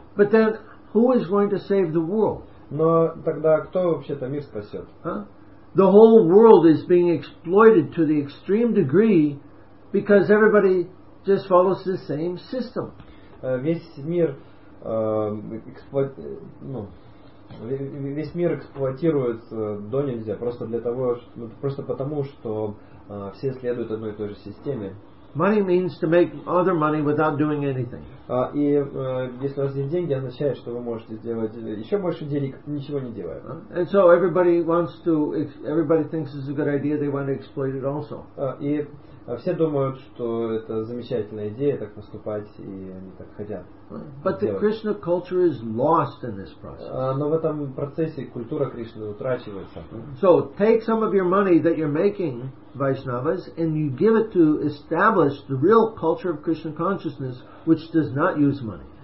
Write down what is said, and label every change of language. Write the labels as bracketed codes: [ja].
[en] But then, who is going to save the world? [ru] Но тогда кто вообще-то мир спасет? [en] The whole world is being exploited to the extreme degree because everybody just follows the same system. [ru] Весь мир эксплуатирует до нельзя просто для того, просто потому, что все следуют одной и той же системе. [en] Money means to make other money without doing anything. [ru] Если у вас есть деньги, означает, что вы можете сделать еще больше денег, ничего не делая. [en] And so everybody thinks it's a good idea, they want to exploit it also. [ru] Все думают, что это замечательная идея, так поступать, и они так хотят. [en] But the Krishna culture is lost in this process. [ru] Но в этом процессе культура Кришны утрачивается. [en] So take some of your money that you're making, Vaishnavas, and you give it to establish the real culture of Krishna consciousness, which does not use money.